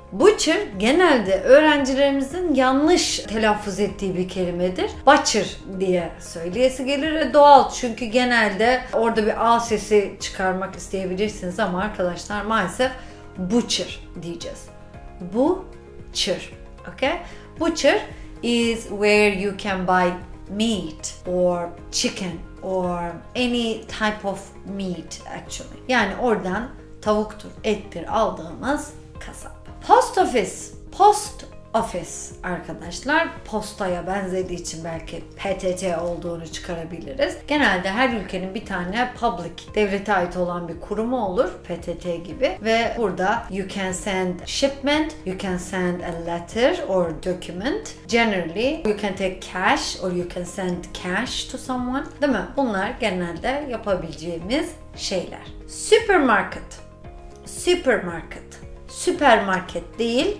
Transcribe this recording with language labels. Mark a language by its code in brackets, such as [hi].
[tr] Butcher genelde öğrencilerimizin yanlış telaffuz ettiği bir kelimedir. Butcher diye söyleyesi gelir ve doğal çünkü genelde orada bir A sesi çıkarmak isteyebilirsiniz ama arkadaşlar maalesef butcher diyeceğiz. [en] Butcher. Okay? Butcher is where you can buy meat or chicken or any type of meat actually. [tr] Yani oradan tavuktur, ettir aldığımız kasap. Post office. Post office arkadaşlar. Postaya benzediği için belki PTT olduğunu çıkarabiliriz. Genelde her ülkenin bir tane public, devlete ait olan bir kurumu olur. PTT gibi. Ve burada [en] you can send shipment, you can send a letter or document. Generally you can take cash or you can send cash to someone. [tr] Değil mi? Bunlar genelde yapabileceğimiz şeyler. Supermarket. Supermarket. Süpermarket değil.